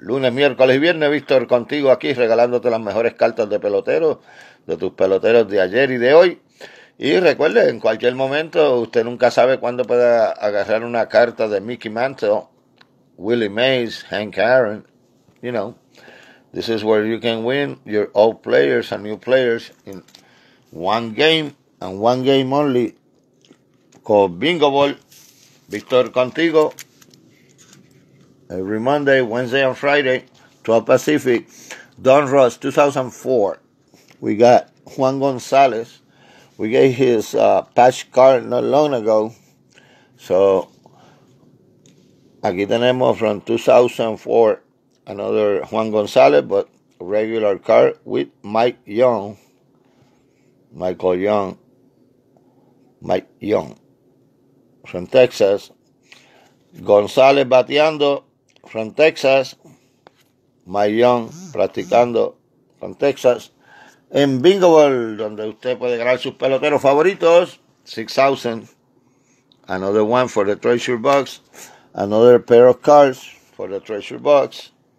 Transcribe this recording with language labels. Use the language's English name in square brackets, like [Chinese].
[Spanish] Lunes, miércoles y viernes, Víctor, contigo aquí regalándote las mejores cartas de pelotero, de tus peloteros de ayer y de hoy. Y recuerde, en cualquier momento, usted nunca sabe cuándo pueda agarrar una carta de Mickey Mantle, Willie Mays, Hank Aaron. [English] You know, this is where you can win your old players and new players in one game, and one game only, called Vingoball. Victor Contigo, every Monday, Wednesday, and Friday, 12 Pacific, Don Ross, 2004. We got Juan Gonzalez. We gave his patch card not long ago. So, [Spanish] aquí tenemos [English] from 2004, another Juan Gonzalez, but regular card with Mike Young. Mike Young, from Texas. [Spanish] Gonzalez bateando, from Texas. Mike Young, practicando, con Texas. En Vingoball, donde usted puede grabar sus peloteros favoritos, 6,000. [English] Another one for the treasure box. Another pair of cards for the treasure box.